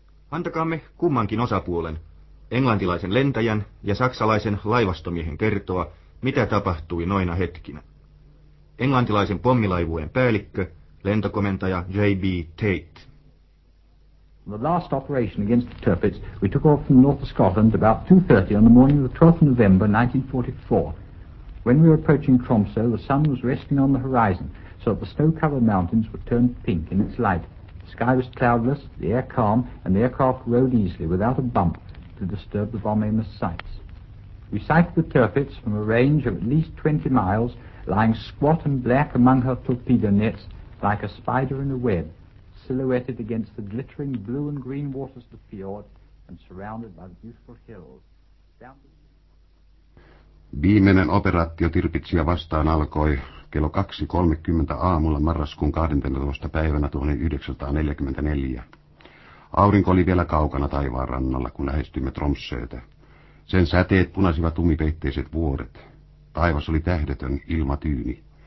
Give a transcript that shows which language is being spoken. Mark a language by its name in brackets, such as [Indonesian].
[Finnish] Antakaamme kummankin osapuolen, englantilaisen lentäjän ja saksalaisen laivastomiehen, kertoa, mitä tapahtui noina hetkinä. Englantilaisen pommilaivueen päällikkö, lentokomentaja J.B. Tate. [English] The last operation against the Tirpitz, we took off from North Scotland about 2:30 on the morning of the 12th of November 1944. When we were approaching Tromsø, the sun was resting on the horizon, so that the snow-covered mountains were turned pink in its light. The sky was cloudless, the air calm, and the aircraft rode easily without a bump to disturb the bomb aimer's sights. We sighted the Tirpitz from a range of at least 20 miles, lying squat and black among her torpedo nets, like a spider in a web, silhouetted against the glittering blue and green waters of the fjord and surrounded by the beautiful hills. [Finnish] Viimeinen operaatio Tirpitsiä vastaan alkoi kello 2.30 aamulla marraskuun 12. päivänä 1944. Aurinko oli vielä kaukana taivaan rannalla, kun lähestyimme Tromsøtä. Sen säteet punasivat umipeitteiset vuoret. Taivas oli tähdetön, ilma tyyni.